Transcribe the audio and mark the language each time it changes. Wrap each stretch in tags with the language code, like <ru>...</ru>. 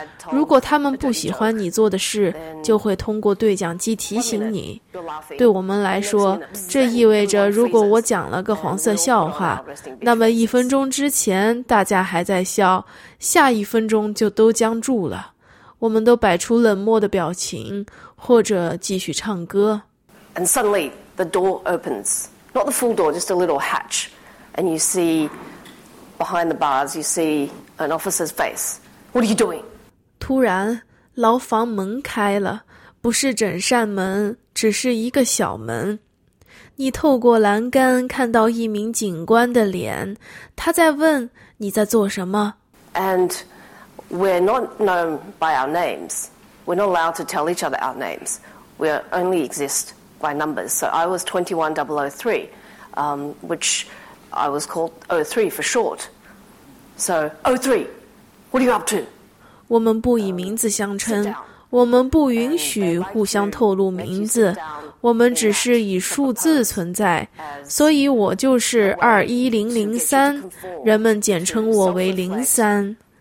<zh>如果他们不喜欢你做的事，就会通过对讲机提醒你。对我们来说，这意味着如果我讲了个黄色笑话，那么一分钟之前大家还在笑，下一分钟就都僵住了，我们都摆出冷漠的表情，或者继续唱歌。</zh> <en>And suddenly the door opens, not the full door, just a little hatch, and you see behind the bars, you see an officer's face. What are you doing?</en> <zh>突然，牢房门开了，不是整扇门，只是一个小门。你透过栏杆看到一名警官的脸，他在问你在做什么。</zh> <en>And we're not known by our names. We're not allowed to tell each other our names. We only exist. By numbers. So I was 21003, which I was called 03 for short. So 03, what are you up to?</en> <zh>我们不以名字相称，我们不允许互相透露名字，我们只是以数字存在。所以我就是21003，人们简称我为03。</zh>